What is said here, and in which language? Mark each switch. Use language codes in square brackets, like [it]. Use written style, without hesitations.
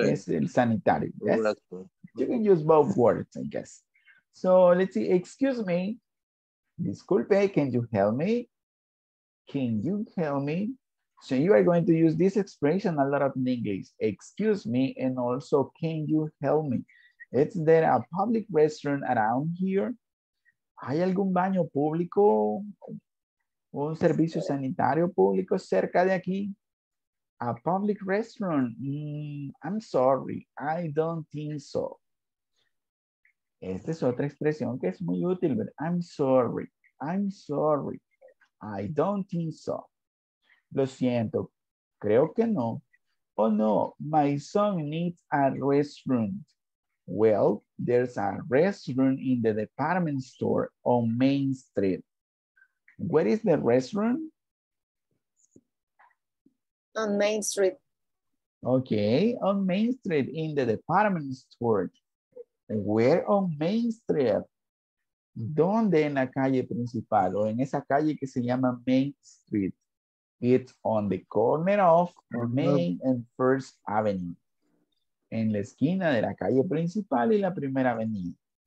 [es] Es el sanitario. [en] Yes? You can use both words, I guess. So, let's see. Excuse me. [es] Disculpe, [en] can you help me? Can you help me? So you are going to use this expression a lot of in English. Excuse me, and also, can you help me? Is there a public restroom around here? [es] ¿Hay algún baño público o un servicio sanitario público cerca de aquí? [en] A public restroom? I'm sorry, I don't think so. [es] Esta es otra expresión que es muy útil, [en] but I'm sorry, I don't think so. [es] Lo siento, creo que no. [en] Oh no, my son needs a restroom. Well, there's a restroom in the department store on Main Street. Where is the restroom? On Main Street. Okay, on Main Street in the department store. Where on Main Street? [es] ¿Dónde en la calle principal o en esa calle que se llama Main Street? [en] It's on the corner of Main and First Avenue. [es] En la esquina de la calle principal y la primera avenida.